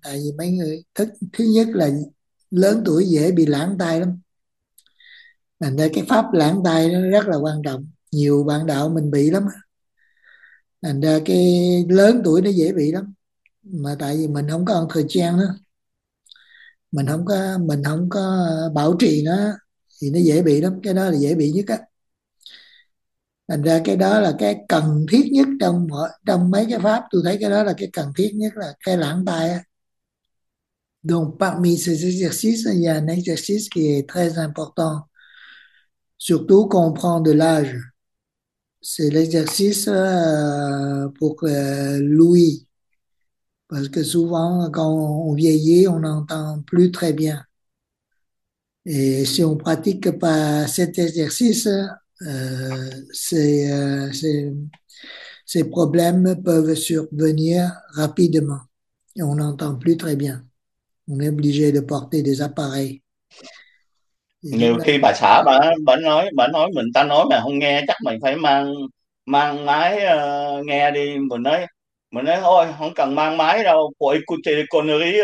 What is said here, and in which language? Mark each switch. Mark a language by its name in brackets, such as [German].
[Vietnamese] Tại vì mấy người thứ nhất là lớn tuổi dễ bị lãng tai lắm, thành ra cái pháp lãng tai nó rất là quan trọng, nhiều bạn đạo mình bị lắm, thành ra cái lớn tuổi nó dễ bị lắm, mà tại vì mình không có ăn thời trang nữa, mình không có bảo trì nó thì nó dễ bị lắm, cái đó là dễ bị nhất á. Thành ra cái đó là cái cần thiết nhất trong mọi trong mấy cái pháp, tôi thấy cái đó là cái cần thiết nhất, là cái lãng tai á. [French] Donc parmi ces exercices, il y a un exercice qui est très important. Surtout comprendre l'âge. C'est l'exercice pour l'ouïe. Parce que souvent, quand on vieillit, on n'entend plus très bien. Et si on ne pratique pas cet exercice, ces problèmes peuvent survenir rapidement. Et on n'entend plus très bien. On est obligé de porter des appareils. Et [Vietnamese] Nhiều lúc đó, khi bà xã bà nói mình, ta nói mà không nghe, chắc mình phải mang mang máy nghe đi. Mình nói thôi không cần mang máy đâu, của [French] écouter les conneries